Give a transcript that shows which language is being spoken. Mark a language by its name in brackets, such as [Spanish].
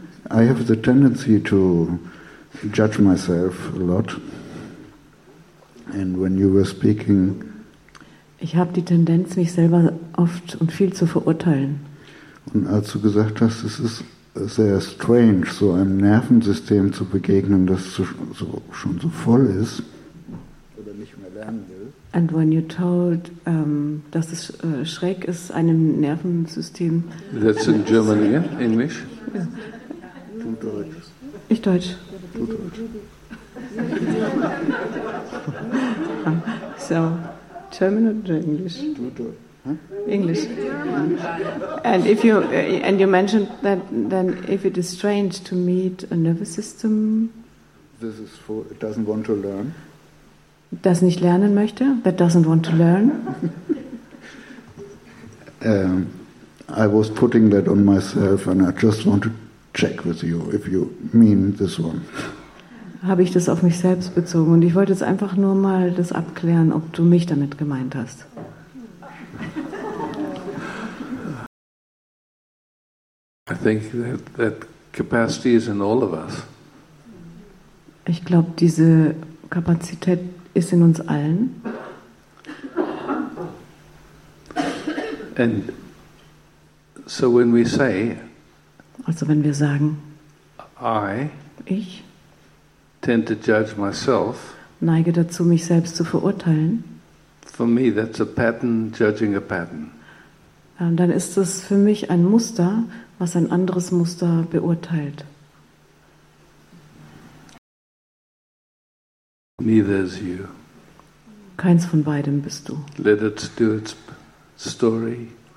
[English] I have the tendency to judge myself a lot. And when you were speaking, [German] ich habe die Tendenz, mich selber oft und viel zu verurteilen. Und als du gesagt hast, es ist sehr strange, so einem Nervensystem zu begegnen, das schon so voll ist. Oder nicht mehr lernen will. [English] And when you told, [German] dass es schräg ist, einem Nervensystem. [English] That's in German, yeah? English? [German] Du Deutsch. Ich Deutsch. Du Deutsch. [English] So, German or English? English. And if you and you mentioned that, then if it is strange to meet a nervous system, this is for it doesn't want to learn. [German] Das nicht lernen möchte. [English] That doesn't want to learn. I was putting that on myself, and I just want to check with you if you mean this one. [German] Habe ich das auf mich selbst bezogen und ich wollte jetzt einfach nur mal das abklären, ob du mich damit gemeint hast. [English] I think that capacity is in all of us. [German] Ich glaube, diese Kapazität ist in uns allen. [English] And so when we say, [German] also wenn wir sagen, [English] ich tend to judge myself. [German] Neige dazu, mich selbst zu verurteilen. [English] For me, that's a pattern judging a pattern. [German] Dann ist es für mich ein Muster, was ein anderes Muster beurteilt. [English] Neither is you. [German] Keins von beidem bist du. [English] Let it do its story.